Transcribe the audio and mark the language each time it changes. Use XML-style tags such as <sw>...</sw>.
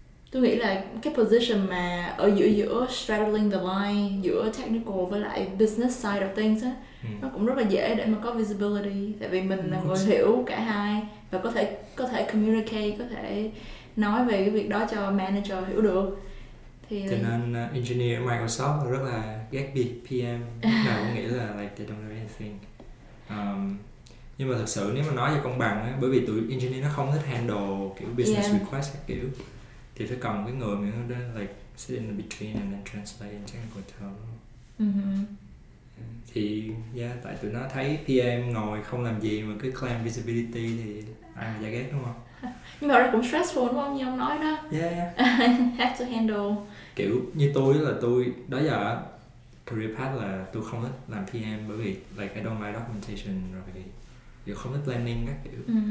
<vi>Tôi nghĩ là cái position mà ở giữa</vi> <en>straddling the line</en> <vi>giữa technical với lại</vi> <en>business side of things</en> <vi>á, nó cũng rất là dễ để mà có visibility. Tại vì mình là người hiểu cả hai và có thể communicate, có thể nói về cái việc đó cho manager hiểu được. Cho nên engineer Microsoft rất là ghét bị PM. Nào cũng nghĩ là</vi> <en>like they don't know anything.</en> <vi>Nhưng mà thật sự nếu mà nói cho công bằng á, bởi vì tụi engineer nó không thích handle kiểu business request kiểu, thì phải cần cái người mà like</vi> <en>sit in the between and then translate in technical term.</en> <vi>Thì yeah, tại tụi nó thấy PM ngồi không làm gì mà cứ claim visibility thì ai mà giải ghét đúng không? Nhưng mà nó cũng stressful đúng không, như ông nói đó.</vi> <en>Yeah. Have to handle.</en> <vi>Kiểu như tôi là tôi, đó giờ career path là tôi không thích làm PM bởi vì like</vi> <en>I don't like documentation,</en> <vi>rồi kiểu không thích planning các kiểu.</vi>